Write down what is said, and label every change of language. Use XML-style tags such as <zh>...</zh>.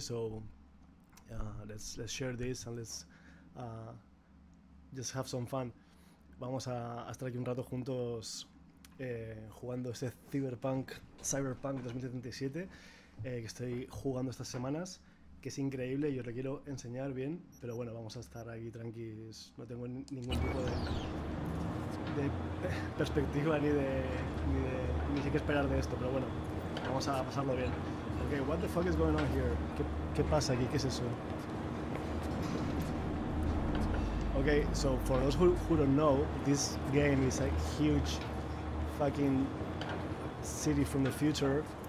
<en>So let's share this and let's just have some fun.</en> <es>Vamos a estar aquí un rato juntos. Jugando este Cyberpunk 2077, que estoy jugando estas semanas, que es increíble y os lo quiero enseñar bien, pero bueno, vamos a estar aquí tranquilos. No tengo ningún tipo de perspectiva ni sé qué esperar de esto, pero bueno, vamos a pasarlo bien.</es> <en>Okay, what the fuck is going on here?</en> <es>¿Qué pasa aquí? ¿Qué es eso?</es> <en>Okay, so for those who don't know, this game is like huge fucking city from the future.</en>